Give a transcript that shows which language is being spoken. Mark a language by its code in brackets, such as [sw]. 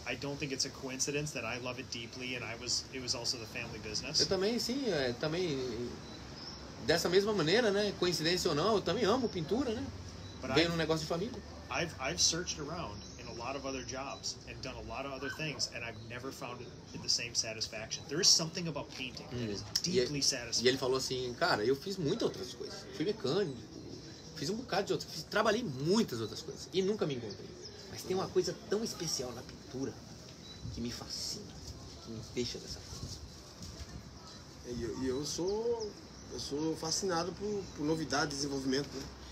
[en] I don't think it's a coincidence that I love it deeply, and it was also the family business. [pt] Eu também, sim, também dessa mesma maneira, né? Coincidência ou não, eu também amo pintura, né? Vem um negócio de família. [en] I've searched around in a lot of other jobs and done a lot of other things, and I've never found it the same satisfaction. There is something about painting that is deeply satisfying. [pt] E ele falou assim, cara, eu fiz muitas outras coisas. Fui mecânico, fiz um bocado de outras, trabalhei muitas outras coisas e nunca me encontrei. Mas tem uma coisa tão especial na pintura que me fascina, que me deixa dessa forma. E eu sou fascinado por novidades, desenvolvimento, né?